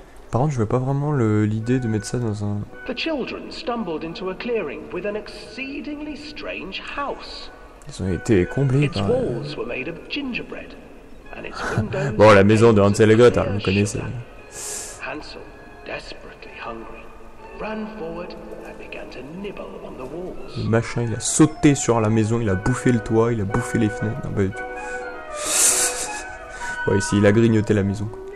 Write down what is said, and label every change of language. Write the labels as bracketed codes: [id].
[fr] Par contre, je vois pas vraiment l'idée de mettre ça dans un. [en] The children stumbled into a clearing with an exceedingly strange house. [fr] Ils ont été comblés par. [en] Its walls were made of gingerbread, and its windows. [fr] Bon, la maison de Hansel et Gretel, vous connaissez. [en] Hansel, desperately hungry, ran forward and began to nibble on the walls. [fr] Le machin, il a sauté sur la maison, il a bouffé le toit, il a bouffé les fenêtres. Non, pas du tout. Ouais, ici, il a grignoté la maison.